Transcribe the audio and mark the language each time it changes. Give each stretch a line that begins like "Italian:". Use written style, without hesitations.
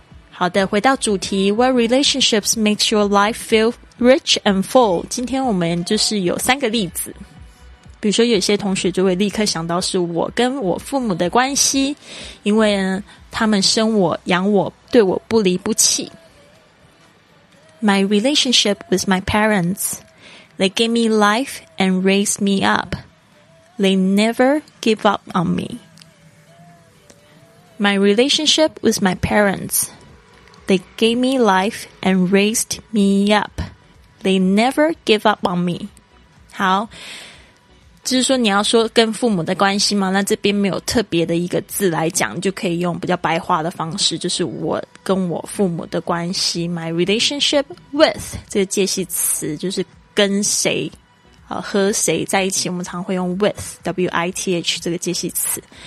Chinese: 好的，回到主题，
English: What relationships makes your life feel rich and full?
Chinese: 今天我们就是有三个例子，比如说有些同学就会立刻想到是我跟我父母的关系，因为他们生我养我，对我不离不弃。
English: My relationship with my parents, they gave me life and raised me up, they never give up on me. My relationship with my parentsThey gave me life and raised me up. They never give up on me.
Chinese: 好，就是说你要说跟父母的关系吗？那这边没有特别的一个字来讲，就可以用比较白话的方式，就是我跟我父母的关系。
English: My relationship with
Chinese: 这个介系词就是跟谁，和谁在一起，我们常会用 with W-I-T-H 这个介系词。